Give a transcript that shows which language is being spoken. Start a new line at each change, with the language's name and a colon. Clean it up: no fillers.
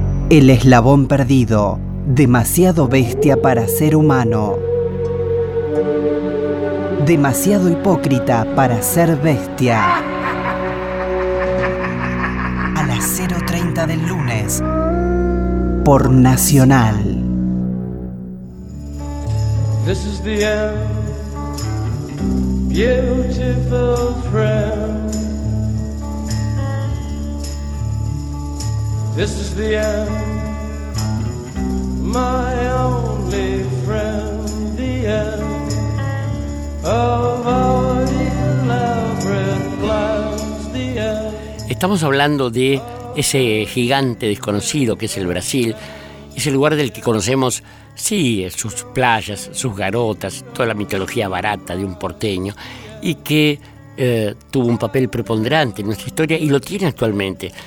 Spanish: El eslabón perdido, demasiado bestia para ser humano. Demasiado hipócrita para ser bestia. A las 0:30 del lunes, por Nacional.
English: This is the end, beautiful friend. This is the end, my only friend, the end of our elaborate plans, the end.
Spanish: Estamos hablando de ese gigante desconocido que es el Brasil, ese lugar del que conocemos, sí, sus playas, sus garotas, toda la mitología barata de un porteño, y que tuvo un papel preponderante en nuestra historia y lo tiene actualmente.